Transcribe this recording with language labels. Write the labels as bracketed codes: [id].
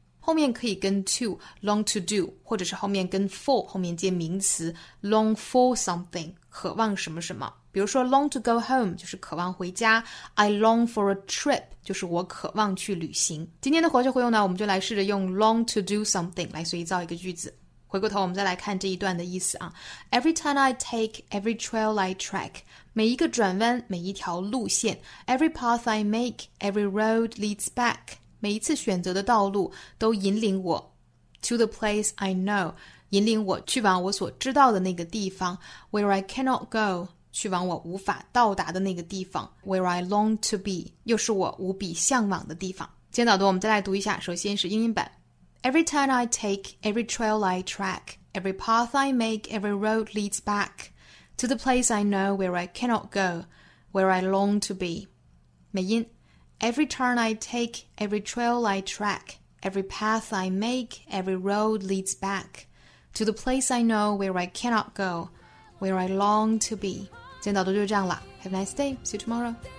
[zh] 后面可以跟 to, [en] long to do, [zh] 或者是后面跟 for, 后面接名词 [en] long for something, [zh] 渴望什么什么。比如说 [en] long to go home, [zh] 就是渴望回家， [en] I long for a trip, [zh] 就是我渴望去旅行。今天的活学活用呢，我们就来试着用 [en] long to do something [zh] 来随意造一个句子。回过头我们再来看这一段的意思啊。 [en] Every turn I take, every trail I track, [zh] 每一个转弯，每一条路线。 [en] Every path I make, every road leads back. [zh] 每一次选择的道路都引领我 [en] to the place I know， [zh] 引领我去往我所知道的那个地方。 [en] Where I cannot go， [zh] 去往我无法到达的那个地方。 [en] Where I long to be， [zh] 又是我无比向往的地方。今天早读我们再来读一下，首先是英音版。 [en] Every turn I take, every trail I track, every path I make, every road leads back to the place I know where I cannot go, where I long to be. 美音 Every turn I take, every trail I track, every path I make, every road leads back to the place I know where I cannot go, where I long to be. [zh] 今天导读就是这样了。 [en] Have a nice day. See you tomorrow.